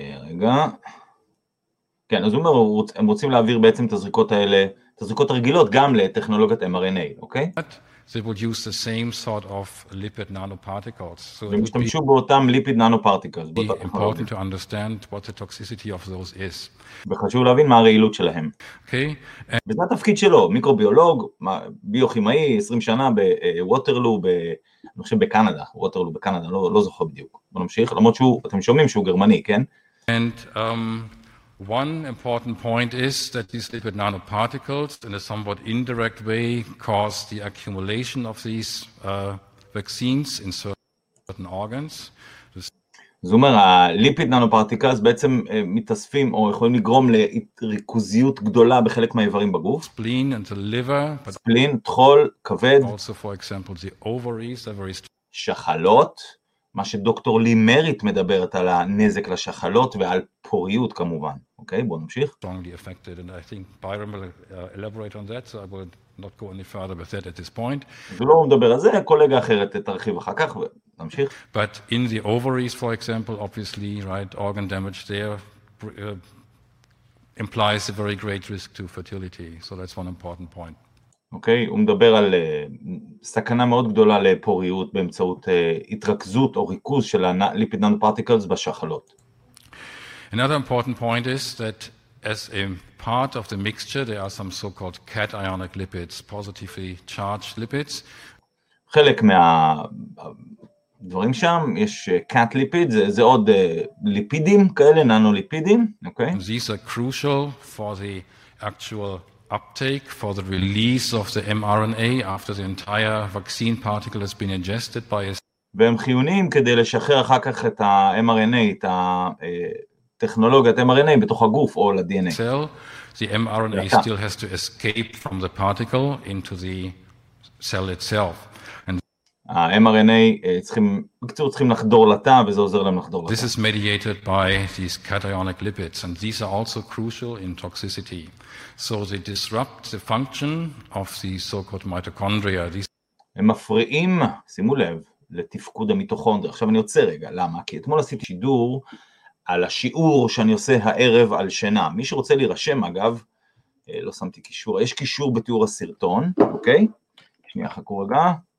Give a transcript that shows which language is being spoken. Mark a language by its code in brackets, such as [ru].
[he] רגע, כן, אז הוא אומר, הם רוצים להעביר בעצם את הזריקות האלה, את הזריקות הרגילות, גם לטכנולוגיית mRNA, אוקיי? [en] They would use the same sort of lipid nanoparticles. [he] So הם משתמשו באותם lipid nanoparticles. [en] It's important to understand what the toxicity of those is. [he] וחשוב להבין מה הרעילות שלהם. [en] Okay. [he] וזה התפקיד שלו, מיקרוביולוג, ביוכימאי, 20 שנה בווטרלו, אני חושב בקנדה, ווטרלו בקנדה, לא זוכר בדיוק. בוא נמשיך, למרות שהוא, אתם שומעים שהוא גרמני, כן? [en] And one important point is that these lipid nanoparticles in a somewhat indirect way cause the accumulation of these vaccines in certain organs. [he] זאת אומרת, הליפיד ננופרטיקלס בעצם מתאספים או יכולים לגרום לריכוזיות גדולה בחלק מהאיברים בגוף. [en] Spleen and the liver. [he] Spleen, תחול, כבד. [en] Also for example the ovaries, the very [he] שחלות. מה שדוקטור לי מריט מדברת על הנזק לשחלות ועל פוריות כמובן, אוקיי? בואו נמשיך. [en] Strongly affected and I think Byron will elaborate on that, so I would not go any further with that at this point. [he] ולא מדבר על זה, קולגה אחרת תרחיב אחר כך ונמשיך. [en] But in the ovaries, for example, obviously, right, organ damage there implies a very great risk to fertility, so that's one important point. [he] אוקיי, הוא מדבר על סכנה מאוד גדולה לפוריות באמצעות התרכזות או ריכוז של הליפיד ננופרטיקלס בשחלות. [en] Another important point is that as a part of the mixture there are some so-called cationic lipids, positively charged lipids. [he] חלק מהדברים שם יש cat lipids, זה עוד ליפידים כאלה, ננוליפידים, אוקיי? [en] These are crucial for the actual uptake for the release of the mRNA after the entire vaccine particle has been ingested by us. [he] והם חיוניים כדי לשחרר אחר כך את ה-mRNA, את הטכנולוגיית mRNA בתוך הגוף או ל-DNA. [en] The mRNA still has to escape from the particle into the cell itself. [he] ה-mRNA צריכים לחדור לתא וזה עוזר להם לחדור לתא. [en] This is mediated by these cationic lipids and these are also crucial in toxicity. So they disrupt the function of the so-called mitochondria. [he] הם מפריעים, שימו לב, לתפקוד המיטוכונדריה. עכשיו אני עוצר רגע, למה? כי אתמול עשיתי שידור על השיעור שאני עושה הערב על שינה. מי שרוצה להירשם, אגב, לא שמתי קישור, יש קישור בתיאור הסרטון, אוקיי? שנייה, חכו רגע.